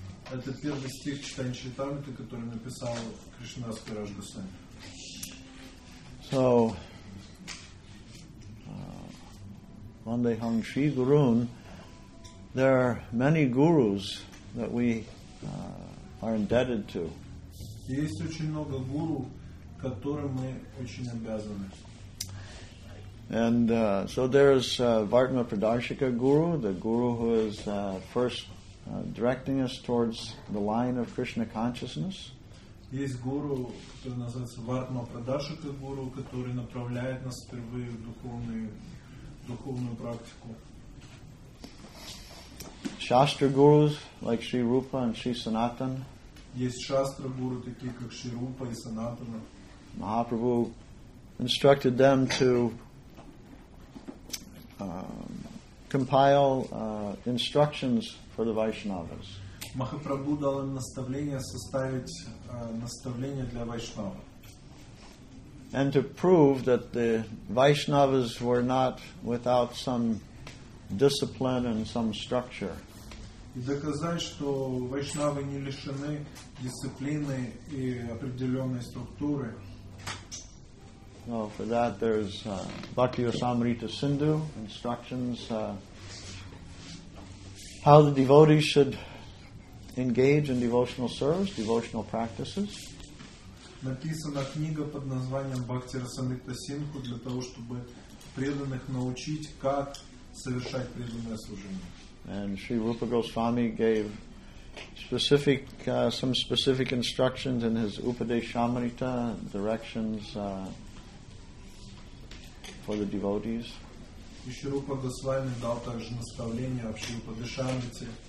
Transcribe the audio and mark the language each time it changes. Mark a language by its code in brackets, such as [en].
[ru] Это первый стих Чайтанья Чаритамриты, который написал Кришнадас Кавираж Госвами. [en] So, [sa] Vandeham Shri Gurun, [en] there are many gurus that we are indebted to. [ru] Есть очень много гуру, которым мы очень обязаны. [en] And so there is Vartma Pradarshika Guru, the guru who is first directing us towards the line of Krishna consciousness. [ru] Есть гуру, который называется Вартма Прадашика Гуру, который направляет нас впервые в духовную практику. [en] Shastra gurus like Sri Rupa and Sri Sanatan. [ru] Есть шастра гуру такие как Sri Rupa и Sanatana. [en] Mahaprabhu instructed them to compile instructions for the Vaishnavas. [ru] Махапрабху дал им наставление составить наставление для Вайшнава. [en] And to prove that the Vaishnavas were not without some discipline and some structure. [ru] И доказать, что Вайшнавы не лишены дисциплины и определенной структуры. [en] Well, for that there's Bhakti Rasamrita Sindhu, instructions how the devotees should engage in devotional service, devotional practices. [ru] Написана книга под названием Бхакти Расамрита Синху для того, чтобы преданных научить, как совершать преданное служение. [en] And Sri Rupa Goswami gave some specific instructions in his Upadeshamrita, directions for the devotees. [ru] И Шри Рупа Госвами дал также наставления в Шри Упадешамрите.